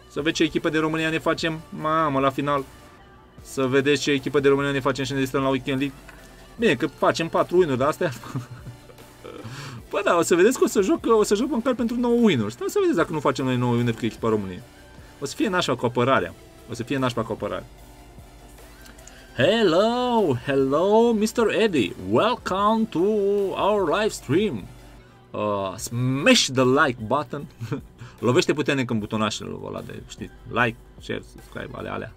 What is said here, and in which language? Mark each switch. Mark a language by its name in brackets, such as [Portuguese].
[Romanian] Să vezi ce echipă de România ne facem, mamă, la final. Să vedeți ce echipă de România ne facem și ne distrăm la Weekend League. Bine, că facem 4 win-uri, dar astea... Păi da, o să vedeți că o să joc măcar pentru 9 win-uri. Stai să vedeți dacă nu facem noi 9 win-uri cu echipa României. O să fie nașpa cu apărarea. O să fie nașpa cu apărarea. [English] Hello, hello, Mr. Eddie. Welcome to our live stream. Smash the like button. [Romanian] Lovește puternic în butonașul ăla de, știi, like, share, subscribe, alea.